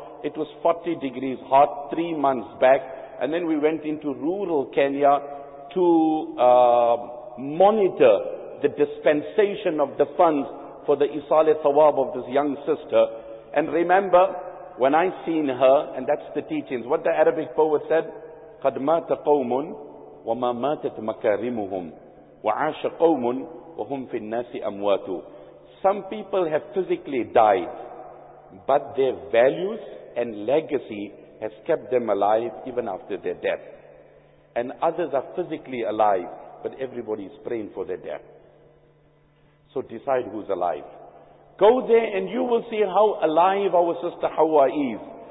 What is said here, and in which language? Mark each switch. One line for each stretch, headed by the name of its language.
English: It was 40 degrees hot 3 months back. And then we went into rural Kenya to monitor the dispensation of the funds for the Isale Thawab of this young sister. And remember, when I seen her, and that's the teachings, what the Arabic poet said,
Arabic: قَدْ مَاتَ قَوْمٌ وما ماتت مكارمهم وعاش قوم وهم في الناس أموات.
English: Some people have physically died, but their values and legacy has kept them alive even after their death. And others are physically alive, but everybody is praying for their death. So decide who's alive. Go there and you will see how alive our sister Hawa is.